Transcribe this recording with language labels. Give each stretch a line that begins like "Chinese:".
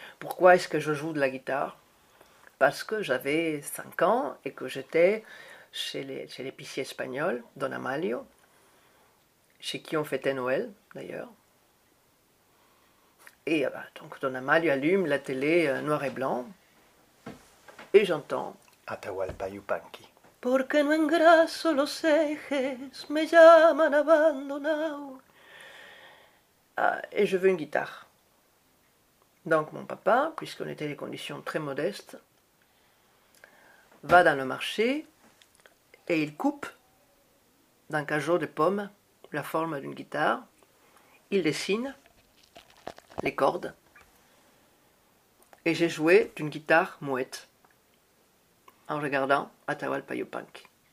French: Pourquoi est-ce que je joue de la guitare? Parce que j'avais 5 ans et que j'étais chez l'épicier espagnol, Don Amalio, chez qui on fêtait Noël d'ailleurs. Et donc Don Amalio allume la télé noir et blanc et j'entends Atahualpa Yupanqui.
Spanish: Porque no engraso los ejes, me llaman abandonado.
French: Et je veux une guitare. Donc mon papa, puisqu'on était des conditions très modestes, va dans le marché, et il coupe d'un cajot de pomme la forme d'une guitare. Il dessine les cordes. Et j'ai joué d'une guitare muette en regardant Atahualpa Yupanqui.